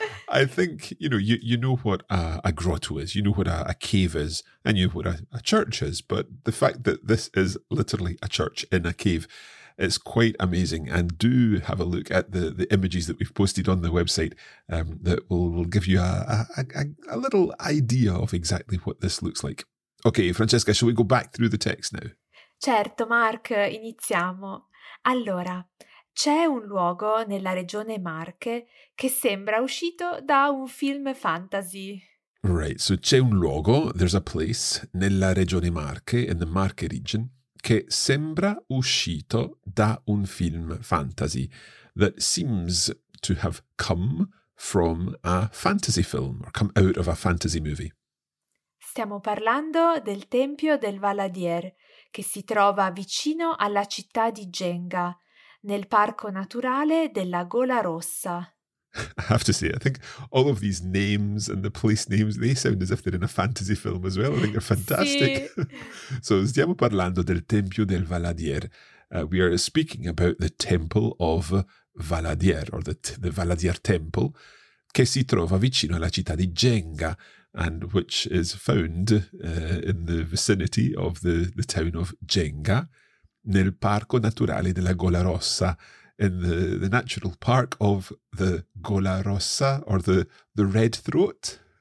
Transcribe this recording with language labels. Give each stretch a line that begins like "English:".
English: I think, you know what a grotto is, you know what a cave is, and you know what a church is, but the fact that this is literally a church in a cave, it's quite amazing. And do have a look at the images that we've posted on the website that will give you a little idea of exactly what this looks like. Okay, Francesca, shall we go back through the text now?
Italian: Certo, Mark, iniziamo. Allora, c'è un luogo nella regione Marche che sembra uscito da un film fantasy.
English: Right, so c'è un luogo, there's a place, nella regione Marche, in the Marche region, che sembra uscito da un film fantasy, that seems to have come from a fantasy film, or come out of a fantasy movie.
Italian: Stiamo parlando del Tempio del Valadier, che si trova vicino alla città di Genga, nel parco naturale della Gola Rossa.
English: I have to say, I think all of these names and the place names, they sound as if they're in a fantasy film as well. I think they're fantastic.
Italian: Sì.
English: So, stiamo parlando del Tempio del Valadier. We are speaking about the Temple of Valadier, or the Valadier Temple, che si trova vicino alla città di Genga, and which is found in the vicinity of the town of Genga, nel Parco Naturale della Gola Rossa, in the natural park of the Gola Rossa, or the Red Throat?